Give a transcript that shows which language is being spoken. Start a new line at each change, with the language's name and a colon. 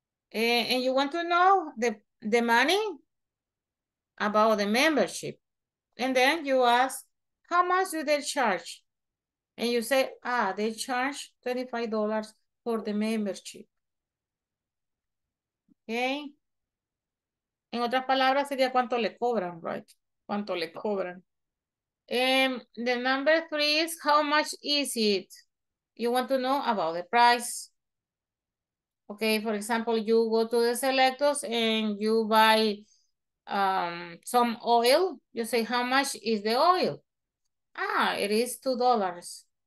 English: And you want to know the money about the membership. And then you ask, how much do they charge? And you say, ah, they charge $25 for the membership. Okay?
Spanish: En otras palabras, sería cuánto le cobran, right? Cuánto le cobran.
English: The number three is, how much is it? You want to know about the price. Okay, for example, you go to the selectors and you buy some oil. You say, how much is the oil? Ah, it is $2.